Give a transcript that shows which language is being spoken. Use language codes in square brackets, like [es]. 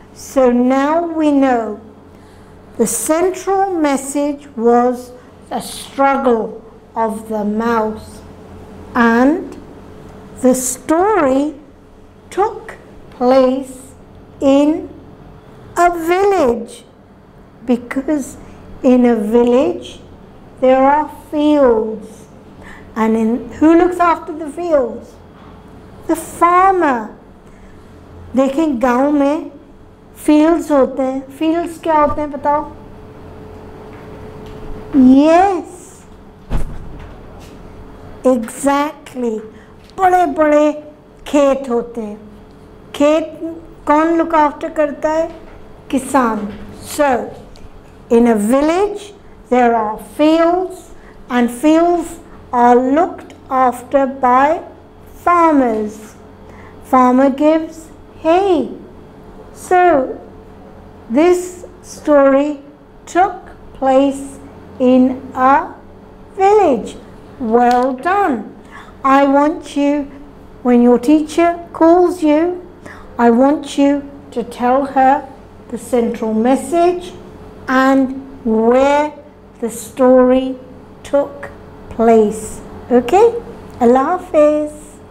[en] So now we know the central message was the struggle of the mouse, and the story took place in a village, because in a village there are fields, and in who looks after the fields? The farmer. [hi] Dekhen gaon mein fields होते हैं. Fields क्या होते हैं बताओ? [en] Yes, exactly. [hi] बड़े बड़े खेत होते हैं. खेत कौन [en] look after [hi] करता है? किसान. [en] So in a village there are fields, and fields are looked after by farmers. Farmer gives hay. So, this story took place in a village. Well done. I want you, when your teacher calls you, I want you to tell her the central message and where the story took place. Okay? Allah Hafiz.